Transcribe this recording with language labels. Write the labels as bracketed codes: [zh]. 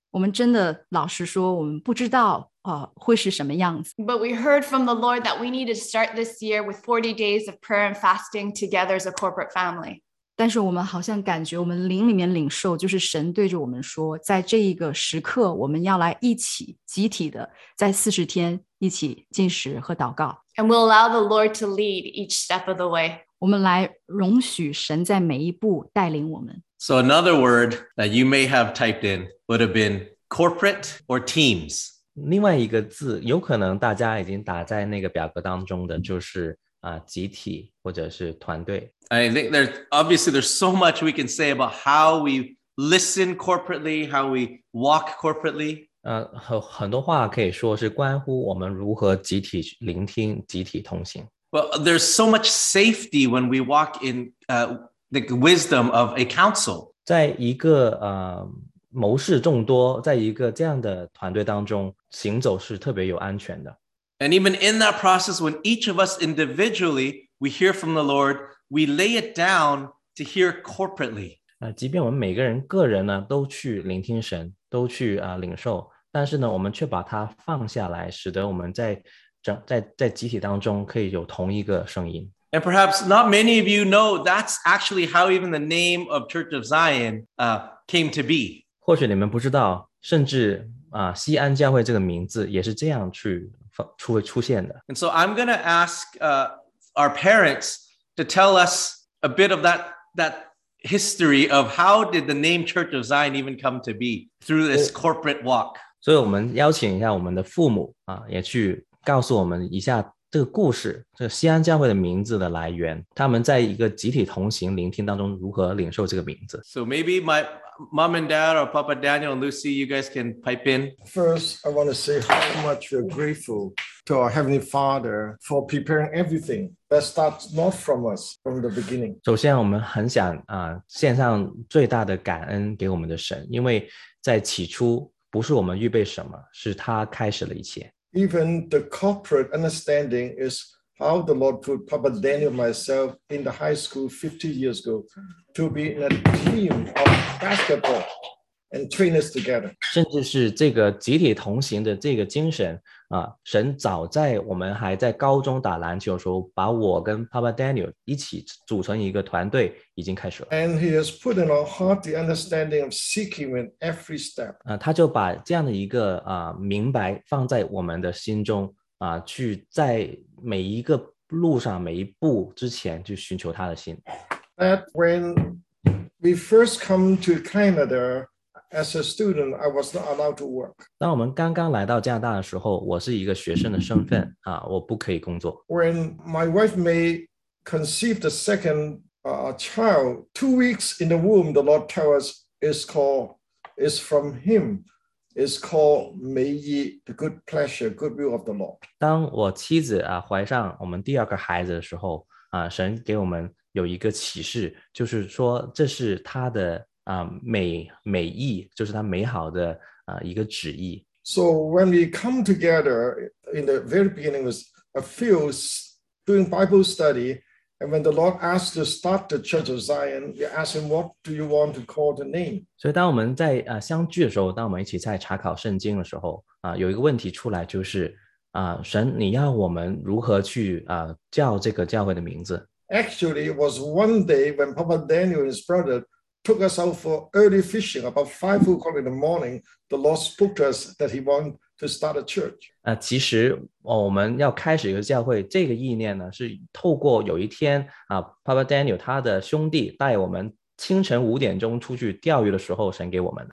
[zh] 我们真的老实说，我们不知道会是什么样子。 [en] But we heard from the Lord that we need to start this year with 40 days of prayer and fasting together as a corporate family. [zh] 但是我们好像感觉我们灵里面领受就是神对着我们说在这一个时刻我们要来一起集体的在40天一起进食和祷告。 [en] And we'll allow the Lord to lead each step of the way. [zh] 我们来容许神在每一步带领我们。 [en] So another word that you may have typed in would have been corporate or teams. [zh] 另外一个字有可能大家已经打在那个表格当中的就是、集体或者是团队。 [en] I think there's so much we can say about how we listen corporately, how we walk corporately. [zh] 很多话可以说是关乎我们如何集体聆听、集体同行。 [en] But there's so much safety when we walk in the wisdom of a council. [zh] 在一个谋事众多，在一个这样的团队当中行走是特别有安全的。 [en] And even in that process, when each of us individually we hear from the Lord. We lay it down to hear corporately. [zh] 即便我们每个人个人呢都去聆听神，都去领受，但是呢，我们却把它放下来，使得我们在集体当中可以有同一个声音。 [en] And perhaps not many of you know that's actually how even the name of Church of Zion came to be. [zh] 或许你们不知道，甚至西安教会这个名字也是这样去出现的。 [en] And so I'm going to ask our parents. To tell us a bit of that history of how did the name Church of Zion even come to be through this corporate walk. [zh] 所以我们邀请一下我们的父母、也去告诉我们一下这个故事，这个西安教会的名字的来源，他们在一个集体同行聆听当中如何领受这个名字。 [en] So maybe my mom and dad or Papa Daniel and Lucy, you guys can pipe in. First, I want to say how much we're grateful to our Heavenly Father for preparing everything. That starts not from us from the beginning. [zh] 首先我们很想、献上最大的感恩给我们的神，因为在起初不是我们预备什么，是他开始了一切。 [en] Even the corporate understanding is how the Lord put Papa Daniel myself in the high school 50 years ago to be in a team of basketball and trainers together. [zh] 甚至是这个集体同行的这个精神神早在我们还在高中打篮球的时候把我跟 Papa Daniel 一起组成一个团队已经开始了。 [en] And he has put in our heart the understanding of seeking in every step. [zh] 他就把这样的一个、明白放在我们的心中、去在每一个路上每一步之前去寻求他的心。 [en] That when we first come to Canada,As a student, I was not allowed to work. [zh] 当我们刚刚来到加拿大的时候，我是一个学生的身份啊，我不可以工作。 [en] When my wife May conceived the second child, 2 weeks in the womb, the Lord tell us is from Him, is called May Yi, the good pleasure, good will of the Lord. [zh] 当我妻子啊怀上我们第二个孩子的时候啊，神给我们有一个启示，就是说这是他的。美意就是他美好的、一个旨意。 [en] So when we come together in the very beginning was a few doing Bible study, and when the Lord asked to start the Church of Zion, you ask him, what do you want to call the name? [zh] 所以当我们在、相聚的时候，当我们一起在查考圣经的时候、有一个问题出来就是、神你要我们如何去、叫这个教会的名字。 [en] Actually, it was one day when Papa Daniel and his brother,took us out for early fishing about 5 o'clock in the morning. The Lord spoke to us that He wanted to start a church. [zh] 其实、我们要开始一个教会，这个意念呢是透过有一天、Papa Daniel 他的兄弟带我们清晨5点钟出去钓鱼的时候，神给我们。